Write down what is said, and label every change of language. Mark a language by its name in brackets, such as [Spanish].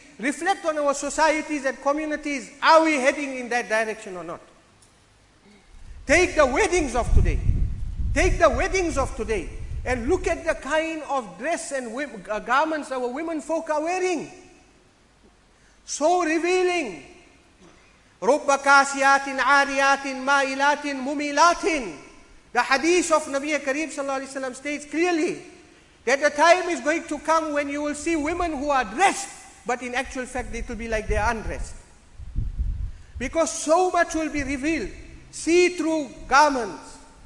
[English] Reflect on our societies and communities. Are we heading in that direction or not? Take the weddings of today. Take the weddings of today. And look at the kind of dress and garments our women folk are wearing. So revealing. [Arabic] رُبَّ كَاسِيَاتٍ عَارِيَاتٍ مَائِلَاتٍ مُمِيلَاتٍ. [English] The hadith of Nabi Karim Sallallahu Alaihi Wasallam states clearly that the time is going to come when you will see women who are dressed, but in actual fact it will be like they are undressed. Because so much will be revealed. See-through garments.